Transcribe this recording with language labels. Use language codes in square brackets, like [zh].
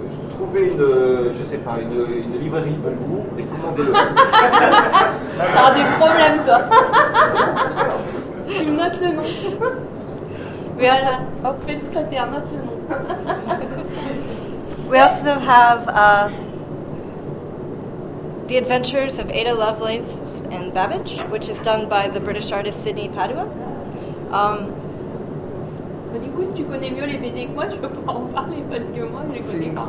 [fr] Trouvez une librairie de bon goût et commandez-le. T'as des problèmes, toi. Tu notes le nom. Voilà, on fait le secrétaire, note le nom. [en] We also have The Adventures of Ada Lovelace and Babbage, which is done by the British artist Sidney Padua. [fr] Du coup, si tu connais mieux les BD que moi, tu peux pas en parler parce que moi, je les connais pas.